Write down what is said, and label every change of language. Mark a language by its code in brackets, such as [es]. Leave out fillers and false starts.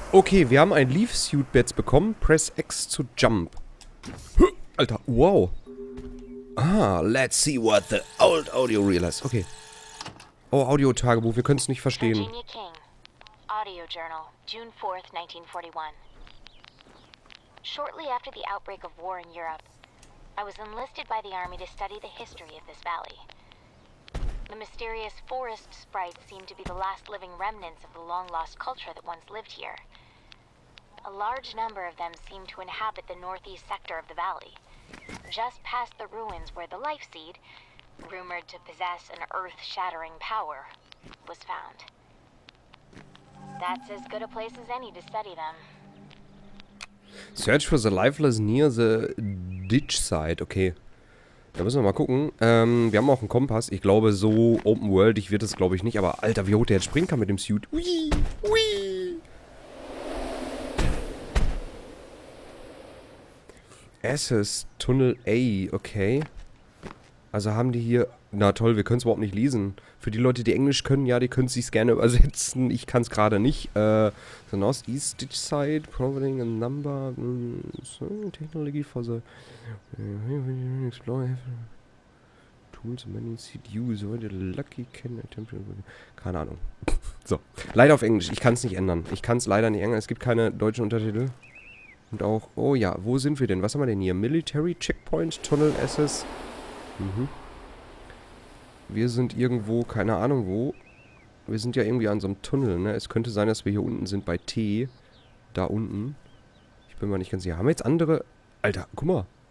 [de] Okay, wir haben ein Leaf Suit jetzt bekommen. [en] Press X to jump. [de] Alter, wow. [en] Ah, let's see what the old audio reel is. Okay. [de] Oh, Audio-Tagebuch, wir können es nicht verstehen. [en] Virginia King. Audio Journal, June 4th, 1941. Shortly after the outbreak of war in Europe, I was enlisted by the army to study the history of this valley. The mysterious forest sprites seem to be the last living remnants of the long-lost culture that once lived here. A large number of them seem to inhabit the northeast sector of the valley, just past the ruins where the life seed, rumored to possess an earth-shattering power, was found. That's as good a place as any to study them. Search for the lifeless near the ditch side, okay. [de] Da müssen wir mal gucken. Wir haben auch einen Kompass. Ich glaube, so open-worldig wird es, glaube ich, nicht. Aber Alter, wie hoch der jetzt springen kann mit dem Suit. Ui! Ui! [en] Assess Tunnel A. Okay. [de] Also haben die hier... Na toll, wir können es überhaupt nicht lesen. Für die Leute, die Englisch können, ja, die können es sich gerne übersetzen. Ich kann es gerade nicht. [en] The North East Ditch Site, providing a number... technology for the... explore... Tools many seed use. The lucky can attempt... [de] Keine Ahnung. So. Leider auf Englisch. Ich kann es nicht ändern. Ich kann es leider nicht ändern. Es gibt keine deutschen Untertitel. Und auch... Oh ja, wo sind wir denn? Was haben wir denn hier? [en] Military Checkpoint Tunnel Assess. Mhm. [de] Wir sind irgendwo, keine Ahnung wo. Wir sind ja irgendwie an so einem Tunnel, ne? Es könnte sein, dass wir hier unten sind bei T. Da unten. Ich bin mal nicht ganz sicher. Haben wir jetzt andere... Alter, guck mal.